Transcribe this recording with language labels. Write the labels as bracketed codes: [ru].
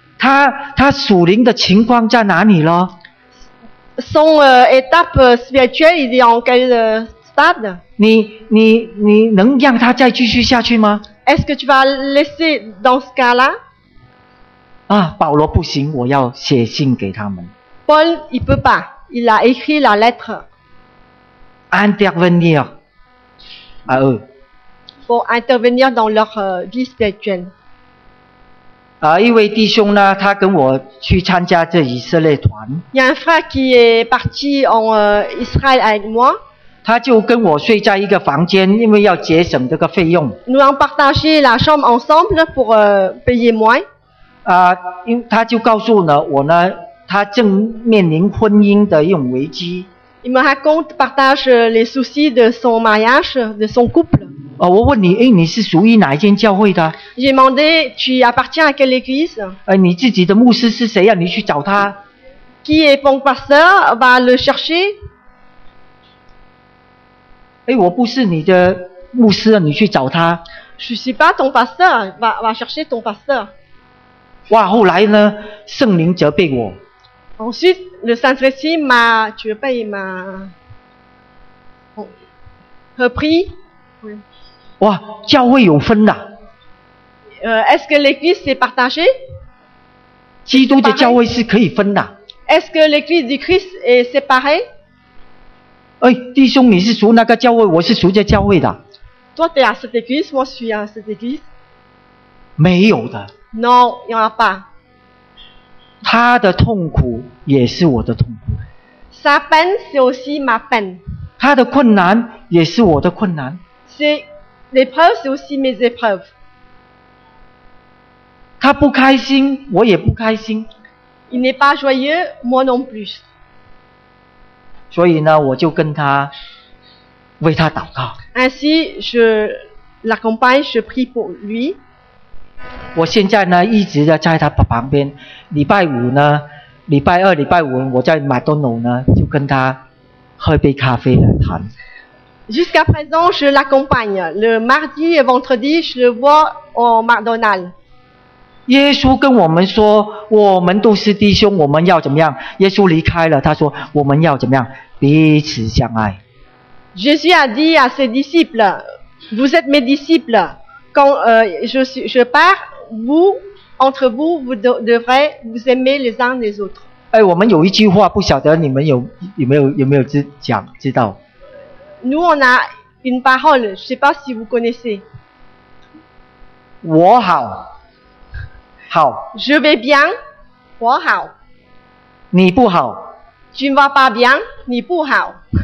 [zh] 他属灵的情况在哪里咯? [fr] Son étape spirituelle, il est en quel stade? [zh] 你能让他再继续下去吗? [fr] Est-ce que tu vas laisser dans ce cas-là? [zh] 啊，保罗不行，我要写信给他们。 [fr] Paul, il peut pas. Il a écrit la lettre. Intervenir. À eux. Pour intervenir dans leur vie spirituelle. [zh] 一位弟兄呢，他跟我去参加这以色列团。 [fr] Il y a un frère qui est parti en Israël avec moi. [zh] 他就跟我睡在一个房间，因为要节省这个费用。 [fr] Nous avons partagé la chambre ensemble pour payer moins. [zh] 他就告诉我呢，他正面临婚姻的一种危机。 [fr] Il me raconte, partage les soucis de son mariage, de son couple. [zh] 我问你，你是属于哪一间教会的？ [fr] J'ai demandé, tu appartiens à quelle église? [zh] 你自己的牧师是谁啊？你去找他。 [fr] Qui est ton pasteur? Va le chercher. [zh] 我不是你的牧师啊，你去找他。 [fr] Je suis pas ton pasteur. Va chercher ton pasteur. [zh] 哇，后来呢？圣灵责备我。 [fr] Ensuite, le Saint-Esprit m'a, tu veux pas, il m'a repris. [zh] 哇，教会有分呐、啊！ [fr] Est-ce que l'Église est partagée？ [zh] 基督的教会是可以分的、啊。 [fr] Est-ce que l'Église du Christ est séparée？ [zh] 弟兄，你是属那个教会，我是属这教会的。 [fr] Toi t'es à cette église, moi je suis à cette église。 [zh] 没有的。 [fr] Non, il y en a pas。 [zh] 他的痛苦也是我的痛苦。 [fr] Sa peine c'est aussi ma peine。 [zh] 他的困难也是我的困难。 [fr] C'est l'épreuve, c'est aussi mes épreuves. [zh] 他不开心，我也不开心。 [fr] Il n'est pas joyeux, moi non plus. [zh] 所以呢，我就跟他为他祷告。 [fr] Ainsi, je l'accompagne, je prie pour lui. [zh] 我现在呢，一直在他旁边。礼拜五呢，礼拜二、礼拜五，我在麦当劳呢，就跟他喝杯咖啡来谈。 [fr] Jusqu'à présent, je l'accompagne. Le mardi et vendredi, je le vois au McDonald's. [zh] 耶稣跟我们说，我们都是弟兄，我们要怎么样？耶稣离开了，他说，我们要怎么样？彼此相爱。 [fr] Jésus a dit à ses disciples, vous êtes mes disciples. Quand je pars, vous, entre vous, vous devrez vous aimer les uns les autres. [zh] 哎，我们有一句话，不晓得你们有没有知道。 [fr] Nous on a une parole, je sais pas si vous connaissez. [zh] 我好，好。 [fr] Je vais bien, [zh] 我好。你不好。 [fr] Tu ne vas pas bien, [zh] 你不好。